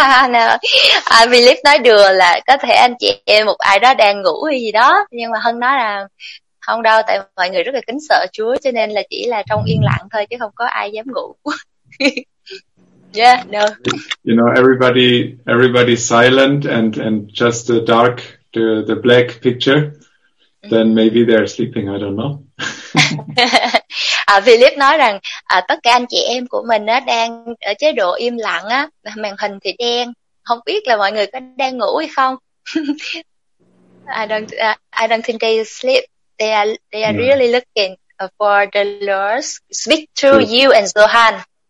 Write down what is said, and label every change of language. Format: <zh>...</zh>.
<en>No, I believe</en> <vi>nói đùa là có thể anh chị em một ai đó đang ngủ hay gì đó, nhưng mà Hân nói là không đâu, tại mọi người rất là kính sợ Chúa, cho nên là chỉ là trong yên lặng thôi chứ không có ai dám ngủ.</vi> <en>Yeah, no. You know, everybody silent and just the dark, the black picture. Then maybe they're sleeping, I don't know.</en> <vi>Philip nói rằng tất cả anh chị em của mình á đang ở chế độ im lặng á, màn hình thì đen, không biết là mọi người có đang ngủ hay không.</vi> <en>I don't think they sleep. They are yeah, really looking for the Lord speak to you and Johan.</en>